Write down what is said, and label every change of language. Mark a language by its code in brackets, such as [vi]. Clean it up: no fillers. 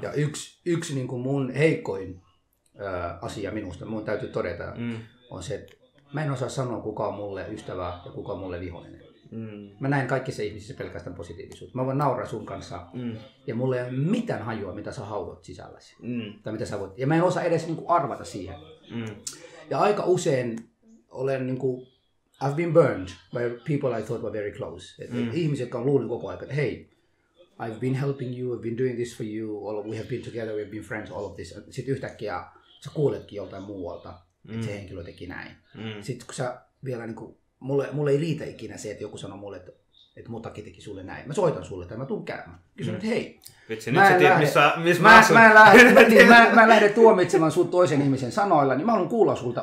[fi] Ja yksi niin kuin mun heikoin asia minusta, mun täytyy todeta, on se, että mä en osaa sanoa, kuka on mulle ystävä ja kuka on mulle vihollinen. Mä näen kaikissa ihmisissä pelkästään positiivisuutta. Mä voin nauraa sun kanssa ja mulla ei ole mitään hajua, mitä sä haluat sisälläsi. Tai mitä sä voit. Ja mä en osaa edes niin kuin arvata siihen. Ja aika usein olen niin kuin, [en] I've been burned by people I thought were very close. [fi] Ihmiset, jotka on luullut koko ajan, että hei, [en] I've been helping you, I've been doing this for you, all of, we have been together, we have been friends, all of this. [fi] Sitten yhtäkkiä sä kuuletkin joltain muualta, että se henkilö teki näin. Sitten kun sä vielä, niin kuin, mulle ei riitä ikinä se, että joku sanoo mulle, että että muutakin teki sulle näin. Mä soitan sulle, tai mä tuun käymään. Kysyn, että hei. Vitsi, nyt sä tiedät, missä mä asun. Mä lähden tuomitsemaan sun toisen ihmisen sanoilla, niin mä haluan kuulla sulta.